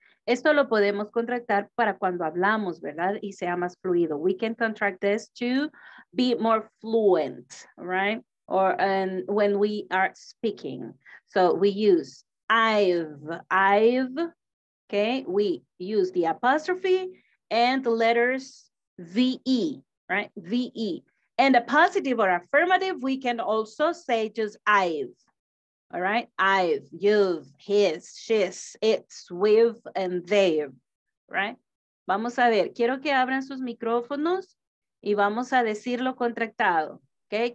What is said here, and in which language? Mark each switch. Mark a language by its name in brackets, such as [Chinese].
[Spanish] Esto lo podemos contractar para cuando hablamos, ¿verdad? Y sea más fluido. [English] We can contract this to be more fluent, right? Or when we are speaking. So we use I've, okay? We use the apostrophe and the letters V-E, right? V-E. And a positive or affirmative, we can also say just I've. All right, I've, you've, his, she's, it's, we've, and they've, right? [Spanish] Vamos a ver, quiero que abran sus micrófonos y vamos a decirlo contractado, okay?